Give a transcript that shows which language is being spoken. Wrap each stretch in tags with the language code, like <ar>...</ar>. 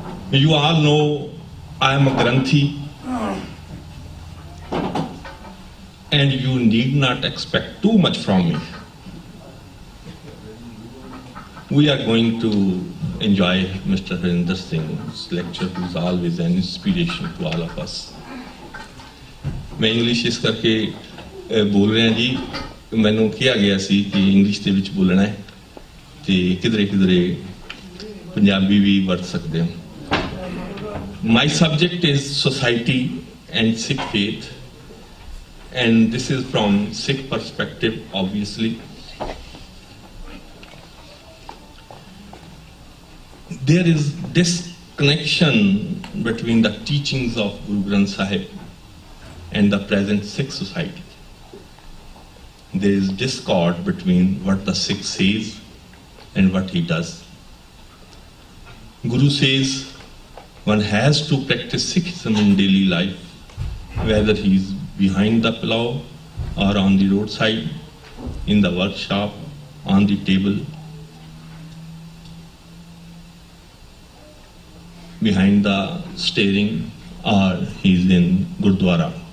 <en>You all know I am a Granthi, and you need not expect too much from me. We are going to enjoy Mr. Harminder Singh's lecture, who is always an inspiration to all of us.</en> <pa>ਮੈਂ English ਇਸ ਕਰਕੇ ਬੋਲ ਰਿਹਾ ਜੀ, ਮੈਨੂੰ ਕਿਹਾ ਗਿਆ ਸੀ ਕਿ ਇੰਗਲਿਸ਼ ਦੇ ਵਿੱਚ ਬੋਲਣਾ ਹੈ ਅਤੇ ਕਿਧਰੇ ਕਿਧਰੇ ਪੰਜਾਬੀ ਵੀ ਵਰਤ ਸਕਦੇ ਹਾਂ।</pa> <en>My subject is society and Sikh faith, and this is from Sikh perspective obviously. There is disconnection between the teachings of Guru Granth Sahib and the present Sikh society. There is discord between what the Sikh says and what he does. Guru says one has to practice Sikhism in daily life, whether he is behind the plow or on the roadside, in the workshop, on the table, behind the steering, or he is in Gurdwara.</en>